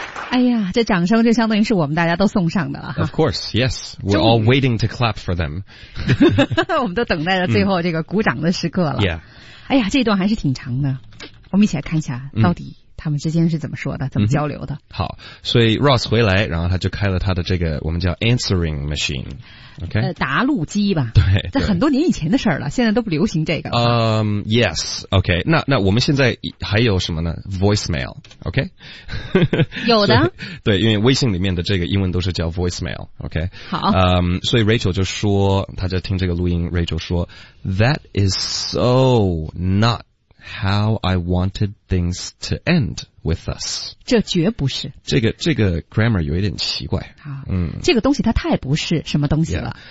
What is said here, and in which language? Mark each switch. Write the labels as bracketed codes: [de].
[zh] 哎呀，这掌声就相当于是我们大家都送上的了哈。 [en] Of course, yes, we're all waiting to clap for them. [zh] 我们都等待着最后这个鼓掌的时刻了。 [en] Yeah. [zh] 哎呀，这一段还是挺长的，我们一起来看一下到底。他们之间是怎么说的，怎么交流的。好，所以 Ross 回来，然后他就开了他的这个我们叫 answering machine、okay? 答录机吧。对，这很多年以前的事儿了，现在都不流行这个了。 [en] Yes, OK, [zh] 那我们现在还有什么呢？voicemail, OK? 有的。对，因为微信里面的这个英文都是叫 voicemail, OK? 好。所以 Rachel 就说，他就听这个录音， Rachel 说 [en] That is so nuts. How I wanted things to end with us. [zh] 这绝不是。这个 grammar 有一点奇怪。这个东西它太不是什么东西了。